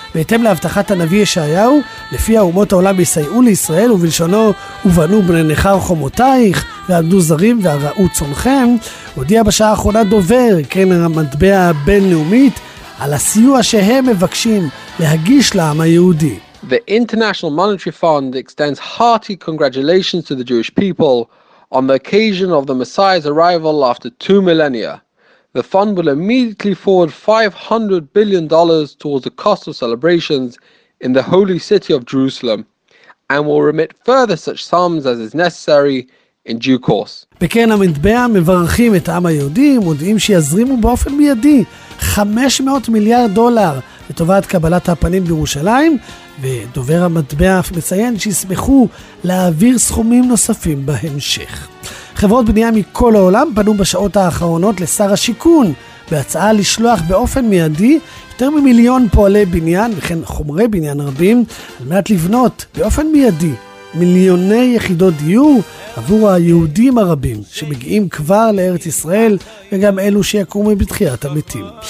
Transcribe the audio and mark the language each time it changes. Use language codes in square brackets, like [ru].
[he] בהתאם להבטחת הנביא ישעיהו, לפי האומות העולם יסייעו לישראל ובלשונו ובנו בני נחר חומותייך ועמדו זרים והראו צונכם, הודיע בשעה האחרונה דובר, כן המטבע הבינלאומית, על הסיוע שהם מבקשים להגיש לעם היהודי. [en] The International Monetary Fund extends hearty congratulations to the Jewish people on the occasion of the Messiah's arrival after 2 millennia. The fund will immediately forward $500 billion towards the cost of celebrations in the holy city of Jerusalem, and will remit further such sums as is necessary in due course. [he] בקרן המטבע מברכים את העם היהודי, מודיעים שיזרימו באופן מיידי 500 מיליארד דולר לטובת קבלת הפנים בירושלים, ודובר המטבע אף מציין שישמחו להעביר סכומים נוספים בהמשך. חברות בנייה מכל העולם פנו בשעות האחרונות לשר השיכון בהצעה לשלוח באופן מיידי יותר ממיליון פועלי בניין וכן חומרי בניין רבים על מנת לבנות באופן מיידי מיליוני יחידות דיור עבור היהודים הרבים שמגיעים כבר לארץ ישראל וגם אלו שיקומו בתחיית המתים.